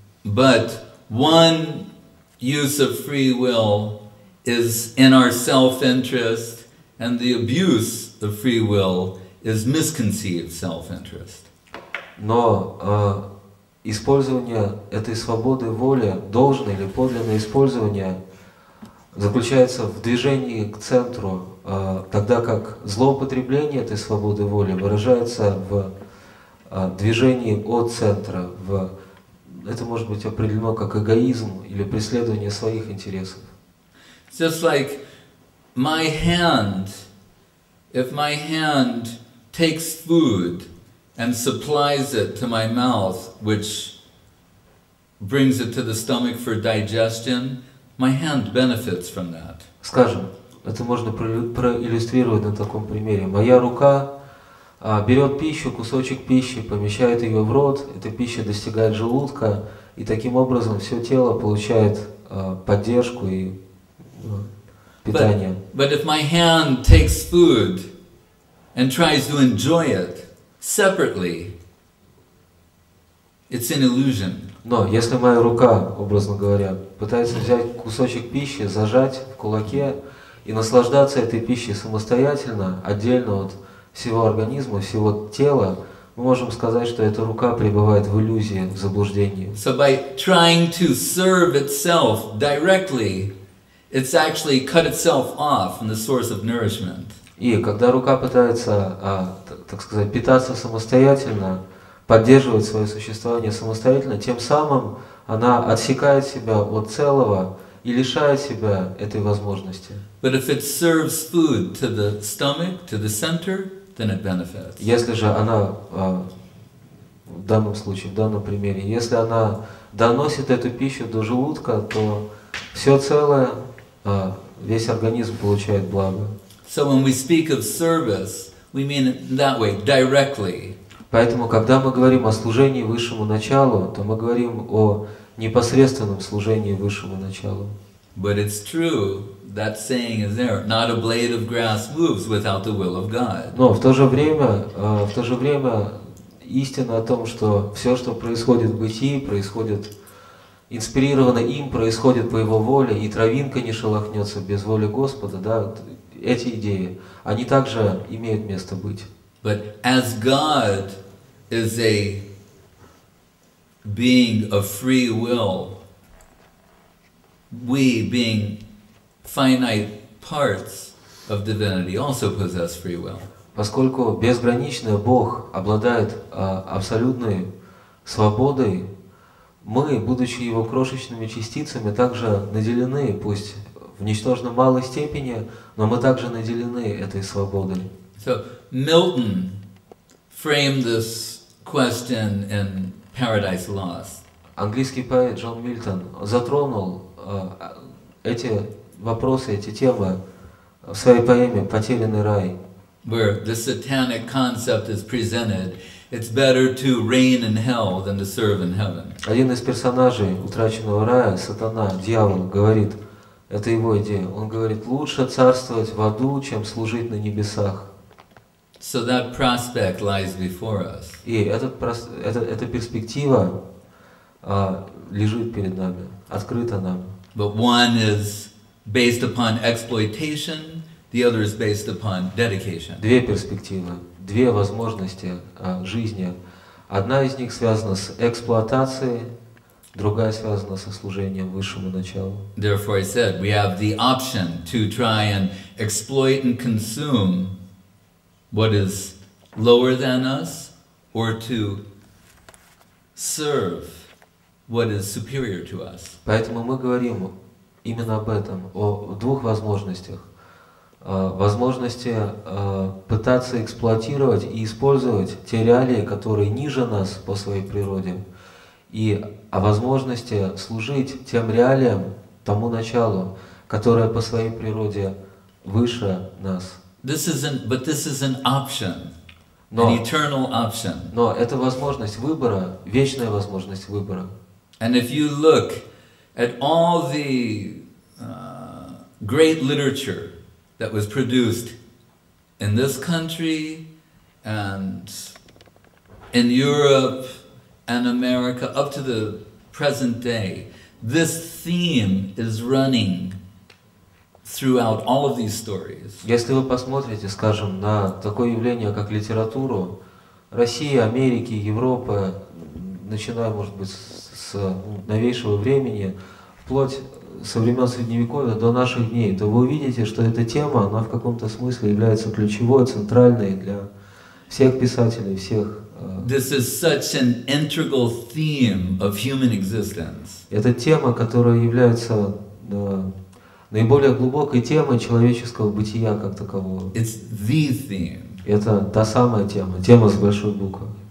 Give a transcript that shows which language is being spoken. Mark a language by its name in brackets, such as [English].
[English] But one use of free will is in our self-interest, and the abuse of free will is misconceived self-interest. [Russian] Но использование этой свободы воли, должное или подлинное использование, заключается в движении к центру, тогда как злоупотребление этой свободы воли выражается в движении от центра. Это может быть определено как эгоизм или преследование своих интересов. [English] just like my hand, if my hand takes food and supplies it to my mouth, which brings it to the stomach for digestion, my hand benefits from that. [Russian] Скажем, это можно проиллюстрировать на таком примере. Моя рука берет пищу, кусочек пищи, помещает ее в рот, эта пища достигает желудка, и таким образом все тело получает поддержку и питание. [English] But if my hand takes food and tries to enjoy it separately, it's an illusion. [Russian] Но если моя рука, образно говоря, пытается взять кусочек пищи, зажать в кулаке и наслаждаться этой пищей самостоятельно, отдельно от всего организма, всего тела, мы можем сказать, что эта рука пребывает в иллюзии, в заблуждении. [English] So by trying to serve itself directly, it's actually cut itself off from the source of nourishment. [Russian] И когда рука пытается, так сказать, питаться самостоятельно, поддерживает свое существование самостоятельно, тем самым она отсекает себя от целого и лишает себя этой возможности. [English] But if it serves food to the stomach, to the center, then it benefits. [Russian] Если же она в данном случае, в данном примере, если она доносит эту пищу до желудка, то все целое, весь организм получает благо. [English] So when we speak of service, we mean it that way, directly. [Russian] Поэтому, когда мы говорим о служении Высшему Началу, то мы говорим о непосредственном служении Высшему Началу. [English] But it's true, that saying is there, not a blade of grass moves without the will of God. [Russian] Но в то же время истина о том, что все, что происходит в бытии, происходит инспирировано им, происходит по его воле, и травинка не шелохнется без воли Господа, да, эти идеи, они также имеют место быть. [English] But as God is a being of free will, we, being finite parts of divinity, also possess free will. [Russian] Поскольку безграничный Бог обладает абсолютной свободой, мы, будучи его крошечными частицами, также наделены, пусть в ничтожно малой степени, но мы также наделены этой свободой. [English] So, Milton framed this question in Paradise Lost. [Russian] Английский поэт Джон Мильтон затронул эти вопросы, эти темы в своей поэме «Потерянный рай». [English] Where the satanic concept is presented, it's better to reign in hell than to serve in heaven. [Russian] Один из персонажей «Утраченного рая», сатана, дьявол, говорит, это его идея, он говорит, лучше царствовать в аду, чем служить на небесах. [English] So that prospect lies before us. [Russian] И эта перспектива лежит перед нами, открыта нам. [English] But one is based upon exploitation, the other is based upon dedication. [Russian] Две перспективы, две возможности жизни. Одна из них связана с эксплуатацией, другая связана со служением Высшему Началу. [English] Therefore, I said, we have the option to try and exploit and consume what is lower than us, or to serve what is superior to us. [Russian] Поэтому мы говорим именно об этом, о двух возможностях. Возможности пытаться эксплуатировать и использовать те реалии, которые ниже нас по своей природе, и о возможности служить тем реалиям, тому началу, которое по своей природе выше нас. [English] This is an option, [Russian] но, [English] an eternal option. [Russian] Но это возможность выбора, вечная возможность выбора. [English] And if you look at all the great literature that was produced in this country and in Europe and America up to the present day, this theme is running throughout all of these stories. [Russian] Если вы посмотрите, скажем, на такое явление, как литературу России, Америки, Европы, начиная, может быть, с новейшего времени, вплоть со времен Средневековья до наших дней, то вы увидите, что эта тема, она в каком-то смысле является ключевой, центральной для всех писателей, всех... [English] This is such an integral theme of human existence. [Russian] Это тема, которая является... наиболее глубокой темой человеческого бытия как такового. [English] It's the theme. [Russian] Это та самая тема, тема с большой буквы.